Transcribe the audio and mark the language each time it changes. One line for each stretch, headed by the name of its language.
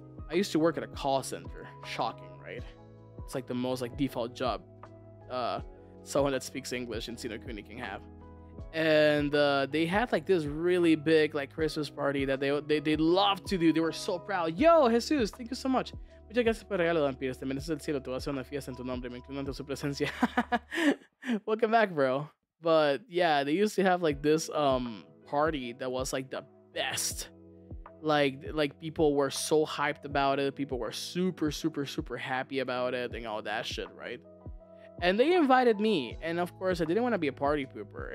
English: I used to work at a call center. Shocking, right? It's, like, the most, like, default job someone that speaks English in Sino Kuni can have. And they had, like, this really big, like, Christmas party that they loved to do. They were so proud. Yo, Jesus, thank you so much.
Spanish: Muchas gracias por el regalo, Dampiers. Te mereces el cielo. Te voy a hacer una fiesta en tu nombre, me incluyendo ante su presencia.
English: Welcome back, bro. But yeah, they used to have like this party that was like the best. Like people were so hyped about it. People were super, super, super happy about it and all that shit, right? And they invited me. And of course, I didn't want to be a party pooper.